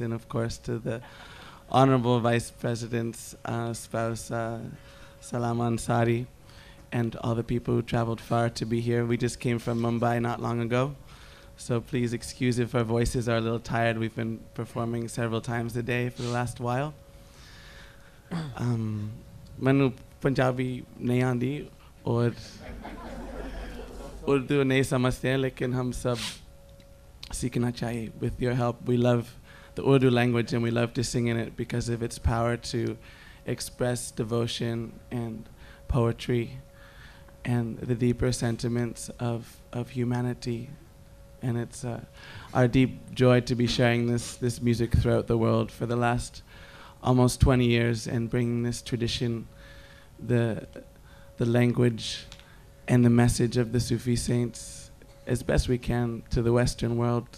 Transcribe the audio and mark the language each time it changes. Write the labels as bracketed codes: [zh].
[en] And of course, to the Honorable Vice President's spouse, Salam Ansari. And all the people who traveled far to be here. We just came from Mumbai not long ago. So please excuse if our voices are a little tired. We've been performing several times a day for the last while. [pa] مینوں پنجابی نہیں آندی [ur] اور اردو نہیں سمجھتے ہیں, لیکن ہم سب سیکھنا چاہیے. [en] With your help, we love the Urdu language and we love to sing in it because of its power to express devotion and poetry. And the deeper sentiments of humanity, and it's our deep joy to be sharing this music throughout the world for the last almost 20 years, and bringing this tradition, the language, and the message of the Sufi saints as best we can to the Western world.